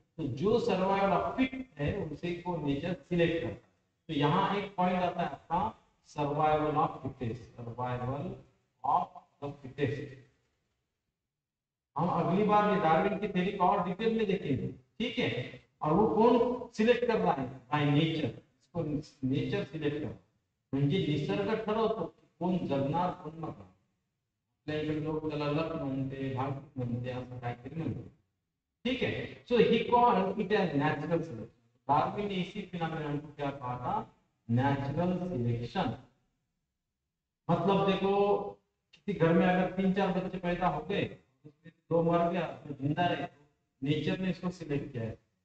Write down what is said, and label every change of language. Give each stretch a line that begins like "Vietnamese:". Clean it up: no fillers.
Hindi: तो जो survival fit है उसे को नेचर सिलेक्ट करता है. तो यहाँ एक पॉइंट आता है आपका survival of fittest, survival of the fittest. हम अगली बार ये डार्विन की थ्योरी और डिटेल में देखेंगे. ठीक है, और वो कौन सिलेक्ट कर रहा है?
English: By nature.
Hindi: इसको नेचर सिलेक्ट कर,
Marathi: म्हणजे निसर्ग ठरवतो तो कौन जगणार कौन मरणार. आपल्या लोक त्याला लक म्हणते, भाग्य म्हणते, असं काहीतरी म्हणते.
Hindi: ठीक है,
English: So he called it a natural selection.
Hindi: Darwin ने इसी फिनोमेनन को क्या कहा था? Natural selection. मतलब देखो किसी घर में अगर तीन चार बच्चे पैदा हो गए उसमें दो मर गया तो जिंदा रहे, नेचर ने इसको सिलेक्ट किया है.